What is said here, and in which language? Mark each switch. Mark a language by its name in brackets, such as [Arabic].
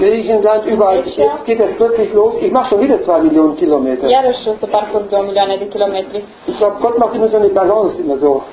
[German] Griechenland, überall, jetzt geht das wirklich los, ich mache schon wieder 2 Millionen Kilometer. [Romanian] Iarăși o să parcurg 2 milioane de kilometri. [German] Ich glaube, Gott macht immer so eine Balance, immer so.